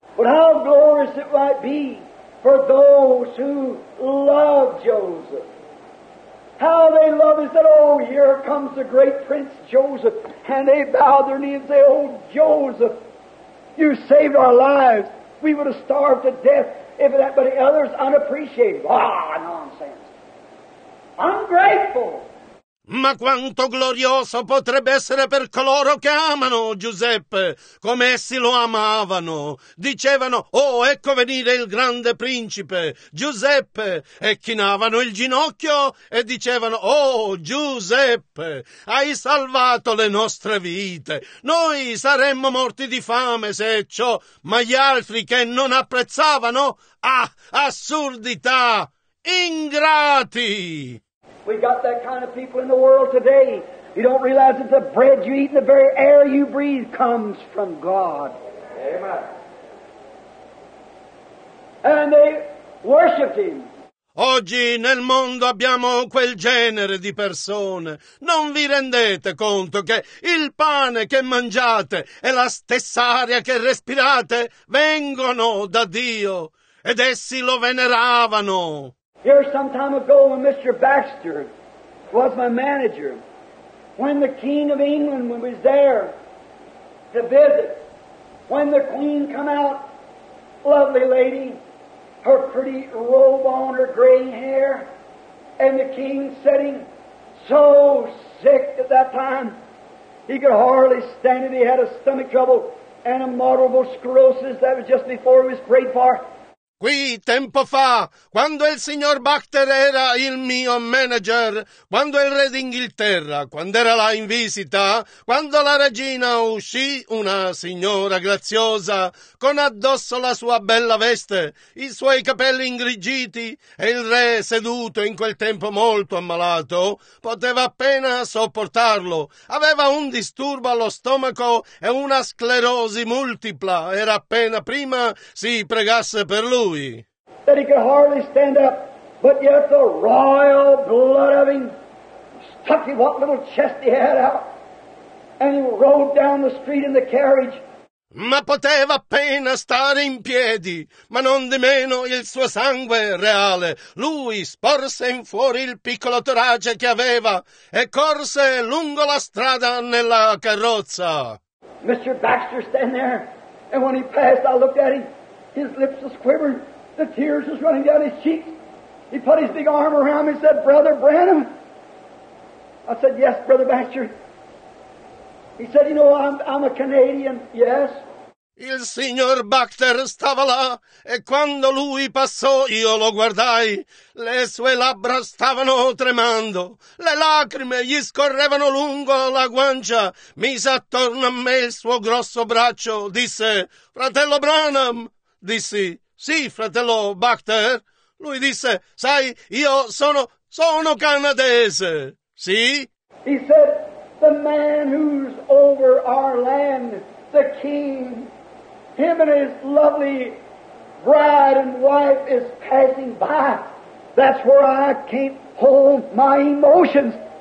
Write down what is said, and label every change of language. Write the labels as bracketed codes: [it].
[en] But how glorious it might be for those who love Joseph. How they love is that, oh, here comes the great Prince Joseph. And they bow their knees and say, oh, Joseph, you saved our lives. We would have starved to death if that, but the others unappreciated. Ah, nonsense. Ungrateful. [it] Ma quanto glorioso potrebbe essere per coloro che amano Giuseppe, come essi lo amavano. Dicevano, oh, ecco venire il grande principe, Giuseppe, e chinavano il ginocchio e dicevano, oh, Giuseppe, hai salvato le nostre vite. Noi saremmo morti di fame se ciò, ma gli altri che non apprezzavano, ah, assurdità, ingrati! [en] We've got that kind of people in the world today. You don't realize that the bread you eat and the very air you breathe comes from God. Amen. And they worshiped him. [it] Oggi nel mondo abbiamo quel genere di persone. Non vi rendete conto che il pane che mangiate e la stessa aria che respirate vengono da Dio ed essi lo veneravano. [en] Here some time ago when Mr. Baxter was my manager, when the King of England was there to visit, when the Queen come out, lovely lady, her pretty robe on, her gray hair, and the King sitting so sick at that time, he could hardly stand it. He had a stomach trouble and a morbable sclerosis that was just before he was prayed for. [it] Qui, tempo fa, quando il signor Bachter era il mio manager, quando il re d'Inghilterra, quando era là in visita, quando la regina uscì, una signora graziosa, con addosso la sua bella veste, i suoi capelli ingrigiti, e il re, seduto in quel tempo molto ammalato, poteva appena sopportarlo. Aveva un disturbo allo stomaco e una sclerosi multipla. Era appena prima si pregasse per lui. [en] That he could hardly stand up, but yet the royal blood of him stuck in what little chest he had out, and he rode down the street in the carriage. [it] Ma poteva appena stare in piedi, ma non di meno il suo sangue reale. Lui sporse in fuori il piccolo torace che aveva e corse lungo la strada nella carrozza. [en] Mr. Baxter stand there, and when he passed, I looked at him. His lips was quivering, the tears was running down his cheeks. He put his big arm around me and said, Brother Branham. I said, yes, Brother Baxter. He said, you know, I'm a Canadian. Yes. [it] Il signor Baxter stava là, e quando lui passò io lo guardai. Le sue labbra stavano tremando, le lacrime gli scorrevano lungo la guancia. Mise attorno a me il suo grosso braccio, disse, Fratello Branham. Dissi, sì, fratello Bachter. Lui disse, sai, io sono canadese. Sì? [en] He said, the man who's over our land, the king, him and his lovely bride and wife is passing by. That's where I can't hold my emotions.